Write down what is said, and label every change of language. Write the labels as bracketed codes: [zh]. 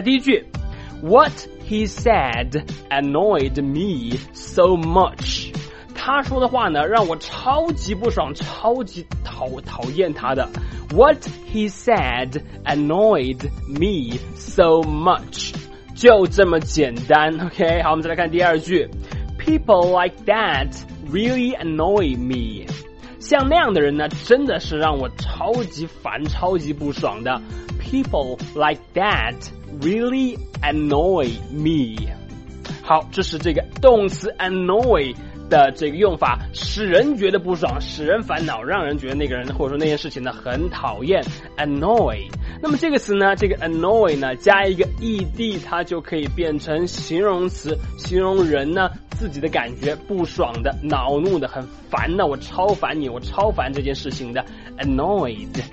[zh] 第一句， [en] What he said annoyed me so much， [zh] 他说的话呢让我超级不爽，超级讨厌他的。 [en] What he said annoyed me so much， [zh] 就这么简单。 OK， 好，我们再来看第二句， [en] People like that really annoy me， [zh] 像那样的人呢真的是让我超级烦，超级不爽的。 [en] People like that really annoy me。 [zh] 好，这是这个动词 annoy的这个用法，使人觉得不爽，使人烦恼，让人觉得那个人或者说那件事情呢很讨厌， annoy。那么这个词呢，这个 annoy 呢加一个 ed， 它就可以变成形容词，形容人呢自己的感觉不爽的，恼怒的，很烦的，我超烦你，我超烦这件事情的， annoyed。